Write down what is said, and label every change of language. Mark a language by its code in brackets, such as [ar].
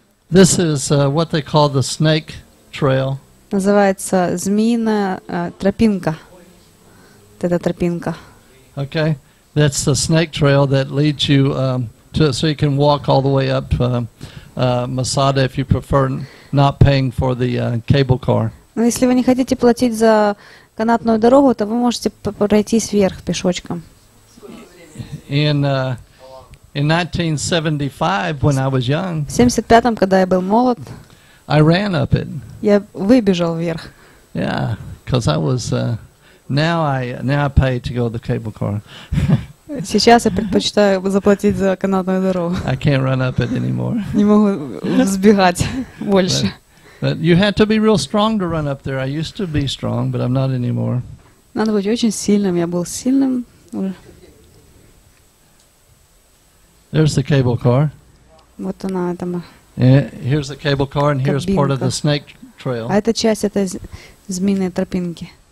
[en] This is what they call the snake trail. [ru] Называется змеиная тропинка. Это тропинка. [en] Okay, that's the snake trail that leads you to, so you can walk all the way up to Masada if you prefer not paying for the cable car. [ru] Но если вы не хотите платить за канатную дорогу, то вы можете пройтись вверх пешочком. [en] In 1975, when I was young, [ru] в 75-м, когда я был молод, [en] I ran up it. [ru] Я выбежал вверх. [en] Yeah, because I was. Now I pay to go to the cable car. [ru] Сейчас я предпочитаю заплатить за канатную дорогу. [en] I can't run up it anymore. [ru] Не могу сбегать больше. [en] But you had to be real strong to run up there. I used to be strong, but I'm not anymore. [ru] Надо быть очень сильным. Я был сильным. [en] There's the cable car. [ru] Вот она, там. [en] Here's the cable car, and here's part of the snake trail. [ru] А это часть этой змеиной тропинки.